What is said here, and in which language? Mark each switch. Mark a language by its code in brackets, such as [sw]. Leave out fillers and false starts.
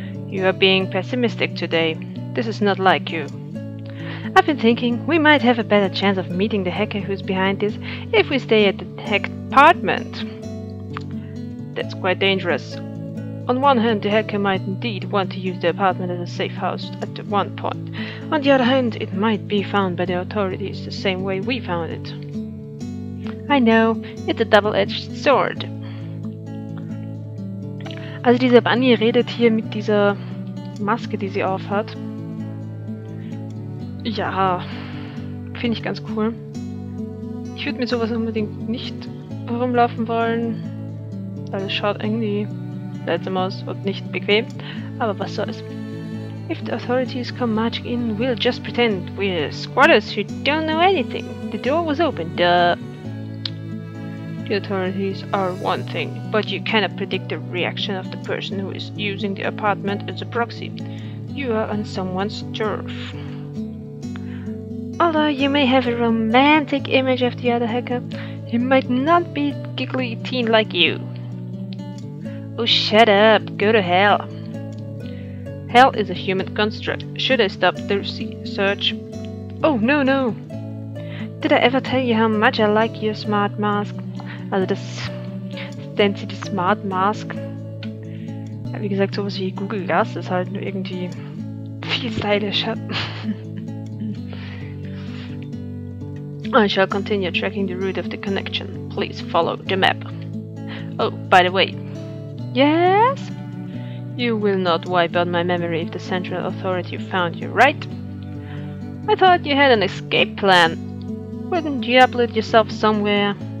[en] You are being pessimistic today. This is not like you. I've been thinking we might have a better chance of meeting the hacker who's behind this if we stay at the hacked apartment. That's quite dangerous. On one hand, the hacker might indeed want to use the apartment as a safe house at one point. On the other hand, it might be found by the authorities the same way we found it. I know, it's a double-edged sword. [de] Also diese Bunny redet hier mit dieser Maske, die sie aufhat. Ja, finde ich ganz cool. Ich würde mit sowas unbedingt nicht herumlaufen wollen, weil es schaut irgendwie seltsam aus und nicht bequem. Aber was soll's. [en] If the authorities come marching in, we'll just pretend we're squatters who don't know anything. The door was open, duh. The authorities are one thing, but you cannot predict the reaction of the person who is using the apartment as a proxy. You are on someone's turf. Although you may have a romantic image of the other hacker, he might not be giggly teen like you. Oh, shut up! Go to hell! Hell is a human construct. Should I stop the search? Oh, no, no! Did I ever tell you how much I like your smart mask? [de] Also das Stancy Smart Mask. Ja, wie gesagt, sowas wie Google Glass ist halt nur irgendwie viel stylischer. [en] I shall continue tracking the route of the connection. Please follow the map. Oh, by the way. Yes? You will not wipe out my memory if the central authority found you, right? I thought you had an escape plan. Wouldn't you upload yourself somewhere?